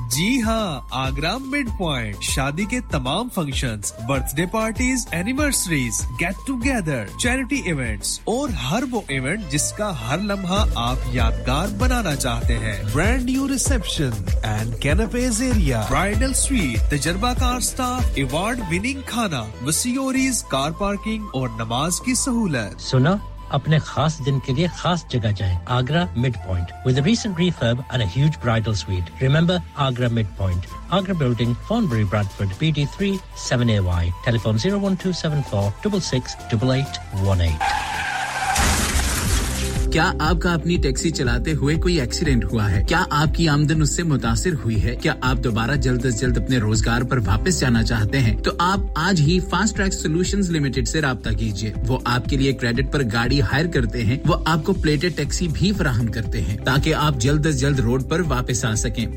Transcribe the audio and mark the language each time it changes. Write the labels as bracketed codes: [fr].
[hi] जी हां आगरा Midpoint शादी के तमाम functions birthday parties anniversaries get together charity events और हर वो इवेंट जिसका हर लम्हा आप यादगार बनाना चाहते हैं [en] brand new reception and canopies area bridal suite [hi] तजुर्बाकार staff award winning खाना मसियोरीज कार पार्किंग और नमाज की सहूलत सुना अपने खास दिन के लिए खास जगह जाएं [en] Agra Midpoint with a recent refurb and a huge bridal suite remember Agra Midpoint Agra building Fonbury Bradford BD3 7AY telephone 01274 66818 [hi] क्या आपका अपनी टैक्सी चलाते हुए कोई एक्सीडेंट हुआ है क्या आपकी आमदनी उससे मुतासिर हुई है क्या आप दोबारा जल्द से जल्द अपने रोजगार पर वापस जाना चाहते हैं तो आप आज ही फास्ट ट्रैक सॉल्यूशंस लिमिटेड से राबता कीजिए वो आपके लिए क्रेडिट पर गाड़ी हायर करते हैं वो आपको प्लेटेड टैक्सी भी प्रदान करते हैं ताकि आप जल्द से जल्द रोड पर वापस आ सकें